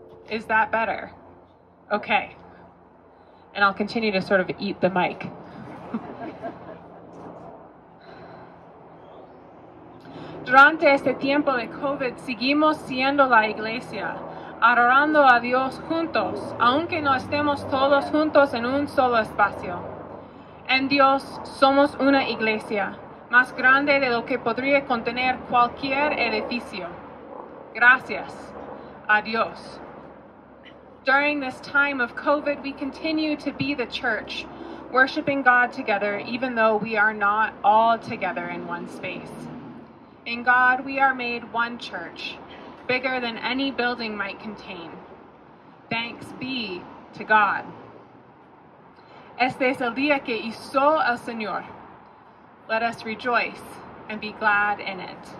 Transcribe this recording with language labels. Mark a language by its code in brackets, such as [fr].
[en] Is that better? Okay. And I'll continue to sort of eat the mic. [es] Durante este tiempo de COVID, seguimos siendo la iglesia. Adorando a Dios juntos, aunque no estemos todos juntos en un solo espacio. En Dios somos una iglesia, más grande de lo que podría contener cualquier edificio. Gracias a Dios. [en] During this time of COVID, we continue to be the church, worshiping God together, even though we are not all together in one space. In God, we are made one church, bigger than any building might contain. Thanks be to God. [es] Este es el día que hizo el Señor. [en] Let us rejoice and be glad in it.